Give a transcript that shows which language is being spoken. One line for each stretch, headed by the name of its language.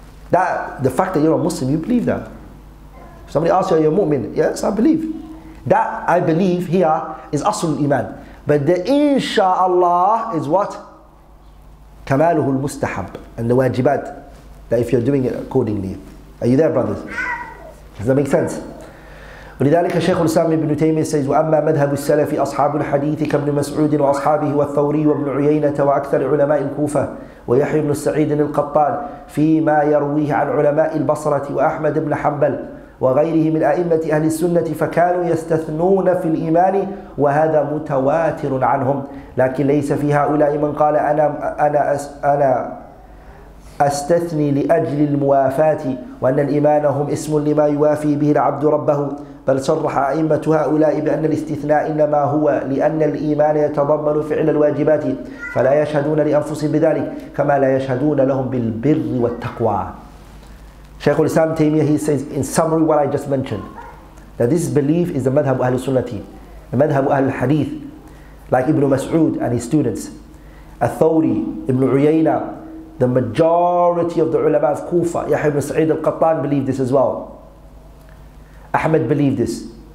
English: That the fact that you're a Muslim, you believe that. If somebody asks you, are you a mu'min? Yes, I believe. That I believe here is asl iman. But the insha'Allah is what?
Arabic: Kamaluhu al-mustahab
English: and the wajibat, that if you're doing it accordingly. Are you there, brothers? Does that make sense?
Arabic: ولذلك شيخ الإسلام ابن تيمية
English: says
Arabic: وأما مذهب السلف أصحاب الحديث كابن مسعود وأصحابه والثوري وابن عيينة وأكثر علماء الكوفة ويحيى بن سعيد القطان فيما يرويه عن علماء البصرة وأحمد بن حنبل وغيره من أئمة أهل السنة فكانوا يستثنون في الإيمان وهذا متواتر عنهم لكن ليس في هؤلاء من قال أنا أستثني لأجل الموافاة وأن الإيمان هم اسم لما يوافي به العبد ربه بل صرح أئمة هؤلاء بأن الاستثناء إنما هو لأن الإيمان يتضمن فعل الواجبات فلا يشهدون لأنفسهم بذلك كما لا يشهدون لهم بالبر والتقوى.
English: Shaykh al-Islam Taymiyyah, he says, in summary what I just mentioned, that this belief is the
Arabic: madhab ahl sunnati,
English: the
Arabic: madhab ahl hadith,
English: like Ibn Mas'ud and his students, Al-Thawri, Ibn Uyayna, the majority of the ulama of Kufa, Yahya ibn Sa'id al-Qattan believe this as well. Ahmed believed this.